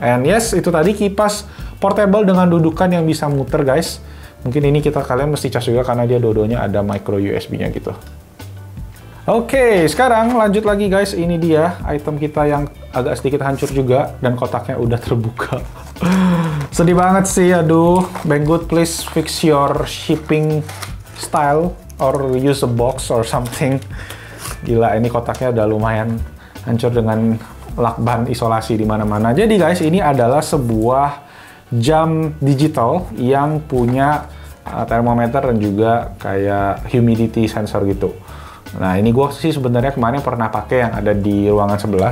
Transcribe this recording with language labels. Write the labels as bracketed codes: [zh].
[en] And yes, [id] itu tadi kipas portable dengan dudukan yang bisa muter guys. Mungkin ini kita kalian mesti cas juga karena dia dodonya ada micro USB-nya gitu. Oke, sekarang lanjut lagi guys. Ini dia item kita yang agak sedikit hancur juga dan kotaknya udah terbuka. Sedih banget sih, aduh. [en] Banggood, please fix your shipping style or use a box or something. [id] Gila, ini kotaknya udah lumayan hancur dengan lakban isolasi di mana-mana. Jadi guys, ini adalah sebuah jam digital yang punya termometer dan juga kayak humidity sensor gitu. Nah, ini gua sih sebenarnya kemarin pernah pakai yang ada di ruangan sebelah.